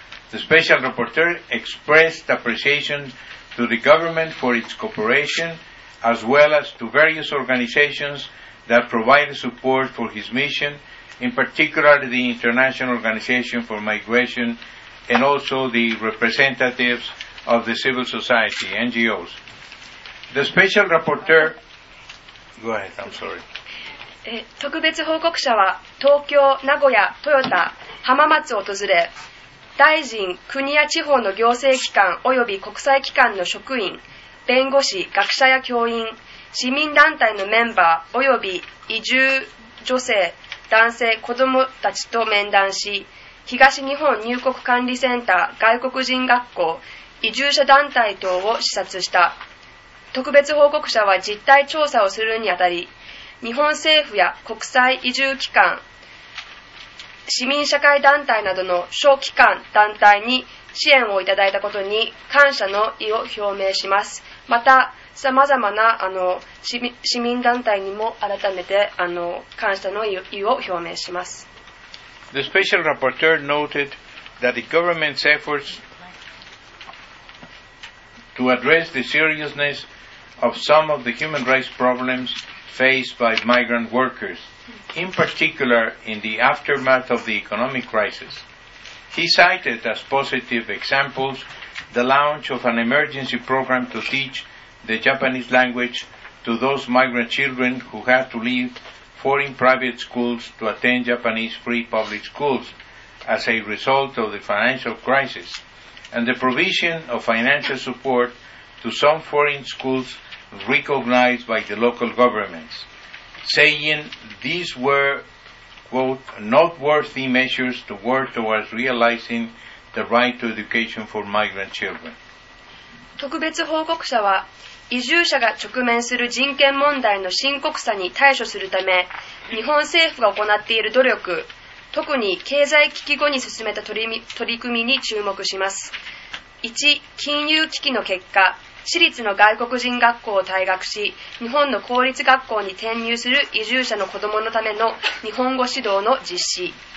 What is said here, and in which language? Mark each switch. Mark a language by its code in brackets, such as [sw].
[en] The special rapporteur expressed appreciation to the government for its cooperation, as well as to various organizationsThat provided support for his mission, in particular the International Organization for Migration and also the representatives of the civil society, NGOs. The special rapporteur. Go ahead, I'm sorry. [ja] 特別報告者は東京、名古屋、トヨタ、浜松を訪れ、大臣、国や地方の行政機関及び国際機関の職員、弁護士、学者や教員、市民団体のメンバー及び移住女性、男性、子どもたちと面談し、東日本入国管理センター、外国人学校、移住者団体等を視察した。特別報告者は実態調査をするにあたり、日本政府や国際移住機関、市民社会団体などの小機関団体に支援をいただいたことに感謝の意を表明します。また、さまざまな市民団体にも改めて感謝の意を表明します。 [en] The special rapporteur noted that the government's efforts to address the seriousness of some of the human rights problems faced by migrant workers, in particular in the aftermath of the economic crisis. He cited as positive examples the launch of an emergency program to teach the Japanese language to those migrant children who had to leave foreign private schools to attend Japanese free public schools as a result of the financial crisis, and the provision of financial support to some foreign schools recognized by the local governments, saying these were, quote, noteworthy measures to work towards realizing the right to education for migrant children. [ja] 特別報告者は、移住者が直面する人権問題の深刻さに対処するため、日本政府が行っている努力、特に経済危機後に進めた取り組みに注目します。 1、金融危機の結果、私立の外国人学校を退学し、日本の公立学校に転入する移住者の子どものための日本語指導の実施。